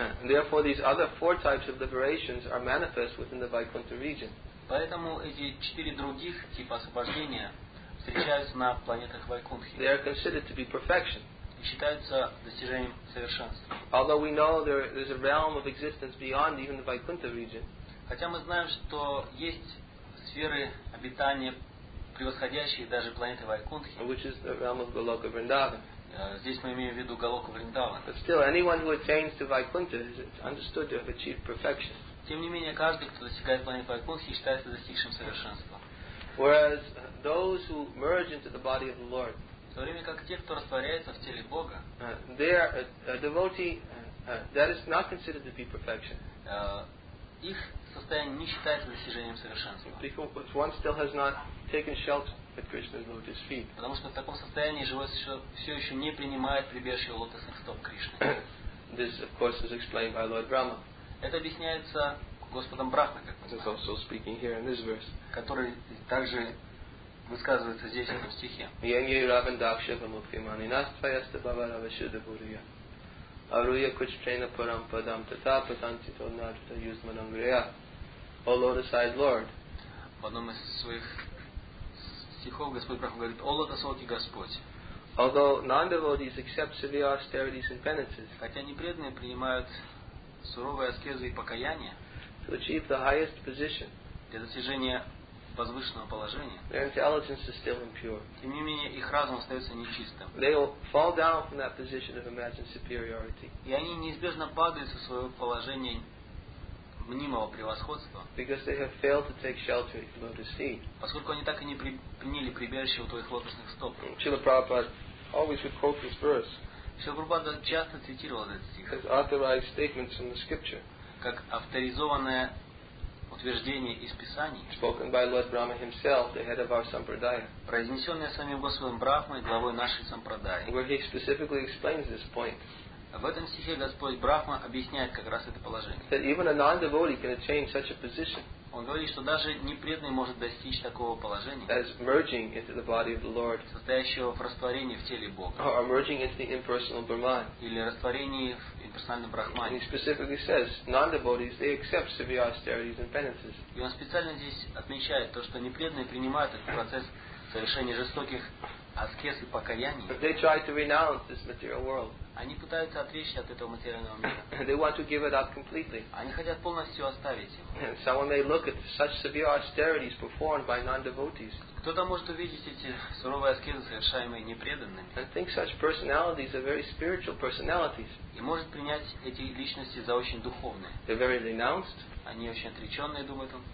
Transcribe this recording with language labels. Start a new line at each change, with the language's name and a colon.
English: Therefore, these other four types of liberations are manifest within the Vaikuntha region.
Russian: Поэтому эти четыре других типа освобождения встречаются на планетах Вайкунтхи.
English: They are considered to be perfection.
Russian: И считаются достижением совершенства.
English: Although we know there is a realm of existence beyond even the Vaikuntha region.
Russian: Хотя мы знаем, что есть сферы обитания, превосходящие даже планеты Вайкунтхи.
English: Which is the realm of Голока Вриндавана.
Russian: Здесь мы имеем в виду Голоку Вриндавана.
English: But still, anyone who attains to Vaikuntha is understood to have achieved perfection.
Russian: Тем не менее, каждый, кто достигает планеты Вайкунтхи, считается достигшим совершенства.
English: Whereas those who merge into the body of the Lord.
Russian: В то время как те, кто растворяется в теле Бога,
English: they are a devotee That is not considered to be perfection.
Russian: Их состояние не считается достижением совершенства.
English: Because one still has not taken shelter at Krishna's lotus feet.
Russian: Потому что в таком состоянии живое все еще не принимает прибежище лотосных стоп Кришны.
English: This, of course, is explained by Lord Brahma.
Russian: Это объясняется Господом Брахмой, как мы знаем.
English: Also speaking here in this verse.
Russian: Который также высказывается здесь в этом стихе. Янги равен дакша вамуфимани настваяста бавара вашуда бурия. Aruya kuchchena param padam tata patanti to narita yuzmanam greya.
English: O lotus eyed Lord.
Russian: В одном из своих стихов Господь Брахма говорит, о лотосоки Господь.
English: Although non-devotees accept severe austerities and penances,
Russian: хотя непреданные принимают суровые аскезы и покаяния,
English: to achieve the highest position,
Russian: для достижения возвышенного положения,
English: their intelligence is still impure.
Russian: Тем не менее, их разум остается нечистым.
English: They will fall down from that position of imagined superiority.
Russian: И они неизбежно падают со своего положения мнимого превосходства,
English: because they have failed to take shelter at lotus feet.
Russian: Поскольку они так и не приняли прибежище у твоих лотосных стоп.
English: Srila Prabhupada always would quote this verse.
Russian: Srila Prabhupada часто цитировал этот стих.
English: As authorized statements from the scripture.
Russian: Как авторизованное утверждение из Писаний.
English: Spoken by Lord Brahma himself, the head of our sampradaya.
Russian: Произнесенное самим Господом Брахмой, главой нашей сампрадаи.
English: Where he specifically explains this point.
Russian: В этом стихе Господь Брахма объясняет как раз это положение.
English: That even a non-devotee can attain such a position.
Russian: Он говорит, что даже непреданный может достичь такого положения.
English: As merging into the body of the Lord.
Russian: Состоящего в растворении в теле Бога.
English: Or merging into the impersonal Brahman.
Russian: Или растворении в имперсональном Брахмане.
English: He specifically says, non-devotees, they accept severe austerities and penances.
Russian: И он специально здесь отмечает то, что непреданные принимают этот процесс совершения жестоких аскез и покаяний.
English: But they try to renounce this material world.
Russian: Они пытаются отречься от этого материального мира.
English: They want to give it up completely.
Russian: Они хотят полностью оставить его.
English: And someone may look at such severe austerities performed by non-devotees.
Russian: Кто-то может увидеть эти суровые аскезы, совершаемые непреданными.
English: And think such personalities are very spiritual personalities.
Russian: И может принять эти личности за очень духовные.
English: They're very renounced.
Russian: Они очень отреченные, думает он.